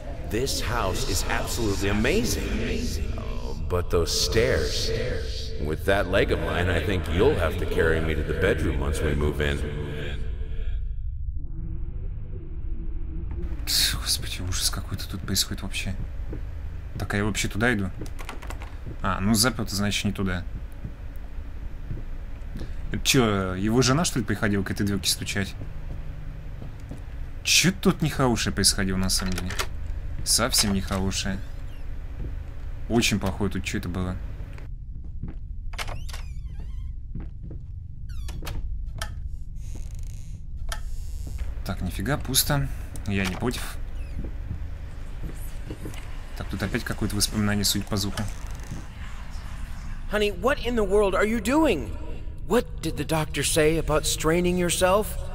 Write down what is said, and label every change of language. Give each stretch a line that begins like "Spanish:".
English: This house is absolutely amazing. But those stairs. With that leg of mine, I think you'll have to carry me to the bedroom once we move in.
Russian: Господи, ужас какой-то тут происходит вообще. Так, а я вообще туда иду? А, ну заперто, значит, не туда. Это чё, его жена, что ли, приходила к этой дверке стучать? Чё-то тут нехорошее происходило, на самом деле. Совсем нехорошее. Очень плохое тут чё-то было. Так, нифига, пусто. Я не против. Так, тут опять какое-то воспоминание, судя по звуку.
English: Honey, what in the world are you doing? What did the doctor say about straining yourself?